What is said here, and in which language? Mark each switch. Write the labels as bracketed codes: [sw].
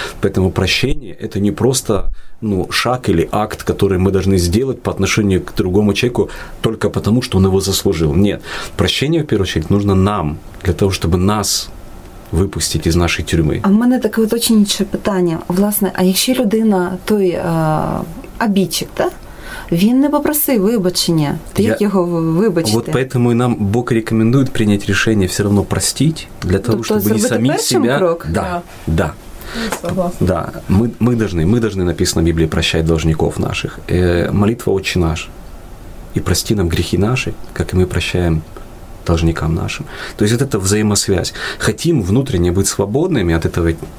[ru] Поэтому прощение – это не просто ну, шаг или акт, который мы должны сделать по отношению к другому человеку только потому, что он его заслужил. Нет. Прощение, в первую очередь, нужно нам, для того, чтобы нас выпустить из нашей тюрьмы. А у меня такое уточнюючее питание. Власне, а если людина той обидчик, да? [uk] Він не попросив вибачення. Ти як його вибачити? [ru] Вот поэтому и нам Бог рекомендует принять решение все равно простить, для того, [uk] тобто, [ru] чтобы не самих себя... [uk] Крок? [ru] Да, да. Да. Согласна. Да. Мы должны, написано в Библии, прощать должников наших. Молитва «Отче наш». И прости нам грехи наши, как и мы прощаем должникам нашим. То есть вот это взаимосвязь. Хотим внутренне быть свободными от этого